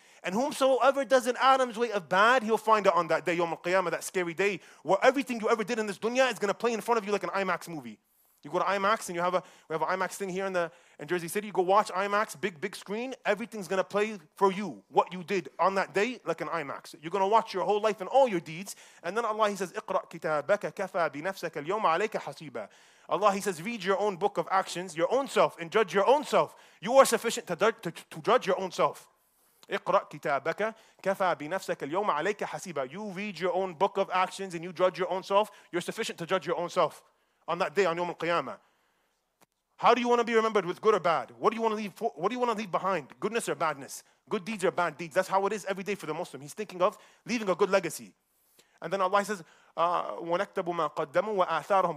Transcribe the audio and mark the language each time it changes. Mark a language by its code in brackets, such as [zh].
[en] And whomsoever does an atom's weight of bad, he'll find it on that day, Yawm al-Qiyamah, that scary day, where everything you ever did in this dunya is going to play in front of you like an IMAX movie. You go to IMAX and we have an IMAX thing here in Jersey City. You go watch IMAX, big screen. Everything's going to play for you, what you did on that day, like an IMAX. You're going to watch your whole life and all your deeds. And then Allah, He says, [ar] اقرأ كتابك كفى بنفسك اليوم عليك حسيبا. [en] Allah, He says, read your own book of actions, your own self, and judge your own self. You are sufficient to judge your own self. [ar] اقرأ كتابك كفى بنفسك اليوم عليك حسيبا. [en] You read your own book of actions and you judge your own self. You're sufficient to judge your own self on that day, on Yawm al-Qiyamah. How do you want to be remembered, with good or bad? What do you want to leave for? What do you want to leave behind? Goodness or badness? Good deeds or bad deeds? That's how it is every day for the Muslim. He's thinking of leaving a good legacy. And then Allah says, [ar] وَنَكْتَبُ مَا قَدَّمُوا وَآثَارَهُمْ.